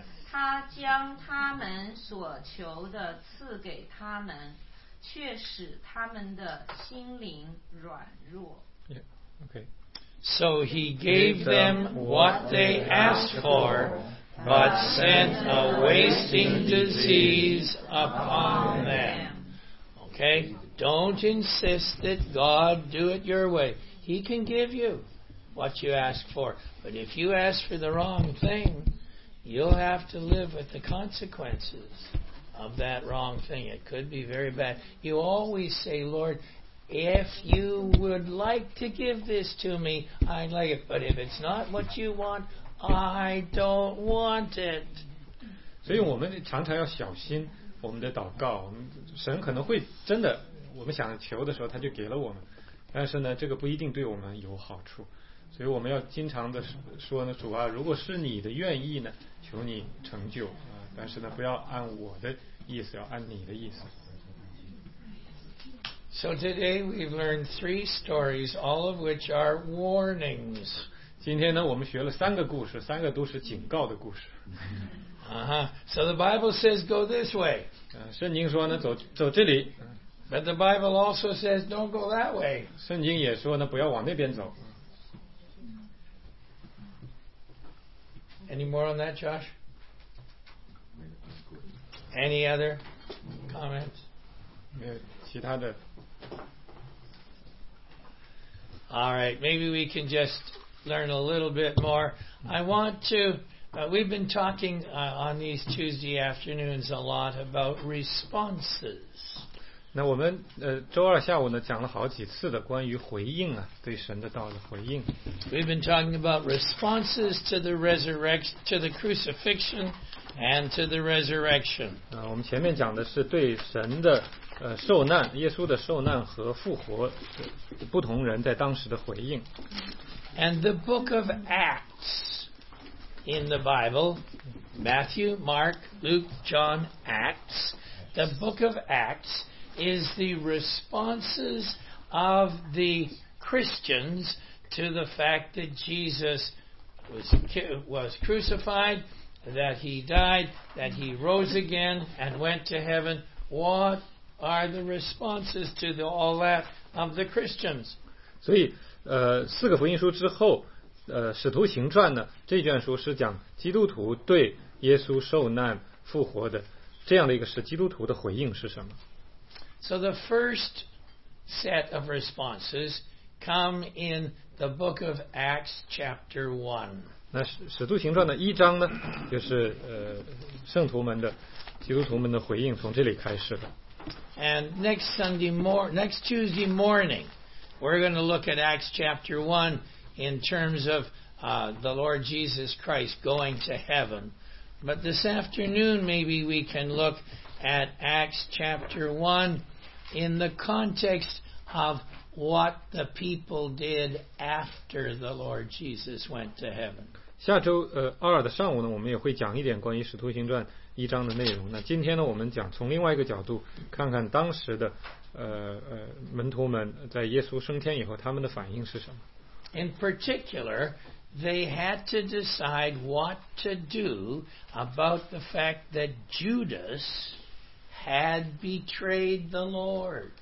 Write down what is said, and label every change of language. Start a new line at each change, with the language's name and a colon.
Chinese: 他将他们所求的赐给他们，却使他们的心灵软弱。
English: Yeah. Okay. So he gave them what they asked for, but sent a wasting disease upon them. Okay. Don't insist that God do it your way. He can give you. What you ask for. But if you ask for the wrong thing, you'll have to live with the consequences of that wrong thing. It could be very bad. You always say, Lord, if you would like to give this to me, I'd like it. But if it's not what you want, I don't want it.
Chinese: 所以我们常常要小心我们的祷告。神可能会真的，我们想求的时候，他就给了我们。但是呢，这个不一定对我们有好处。所以我们要经常的说呢，主啊，如果是你的愿意呢，求你成就啊，但是呢，不要按我的意思，要按你的意思。
English: So today we've learned three stories, all of which are warnings.
Chinese: 今天呢，我们学了三个故事，三个都是警告的故事。
English: So the Bible says go this way.
Chinese: 圣经说呢，走这里。
English: But the Bible also says don't go that way.
Chinese: 圣经也说呢，不要往那边走。
English: Any more on that, Josh? Any other comments?
Chinese: 没有其他的。
English: All right, maybe we can just learn a little bit more. I want to, we've been talking on these Tuesday afternoons a lot about responses.
Chinese: 那我们周二下午呢讲了好几次的关于回应啊，对神的道的回应。
English: We've been talking about responses to the resurrection, to the crucifixion, and to the resurrection.
Chinese: 我们前面讲的是对神的受难，耶稣的受难和复活，不同人在当时的回应。
English: And the book of Acts in the Bible, Matthew, Mark, Luke, John, Acts, the book of Acts. Is the responses of the Christians to the fact that Jesus was crucified, that he died, that he rose again and went to heaven. What are the responses to all that of the Christians?
Chinese: 所以，四个福音书之后，使徒行传呢，这卷书是讲基督徒对耶稣受难复活的这样的一个是基督徒的回应是什么？
English: So the first set of responses come in the book of Acts chapter 1.
Chinese: 那使徒行传的一章呢，就是圣徒们的基督徒们的回应从这里开始的。
English: And next Tuesday morning, We're going to look at Acts chapter 1 in terms of the Lord Jesus Christ going to heaven. But this afternoon, maybe we can look at Acts chapter 1 in the context of what the people did after the Lord Jesus went to heaven.
Chinese: 下周二的上午呢，我们也会讲一点关于《使徒行传》一章的内容。那今天呢，我们讲从另外一个角度看看当时的门徒们在耶稣升天以后他们的反应是什么。
English: In particular, they had to decide what to do about the fact that Judas had betrayed the Lord.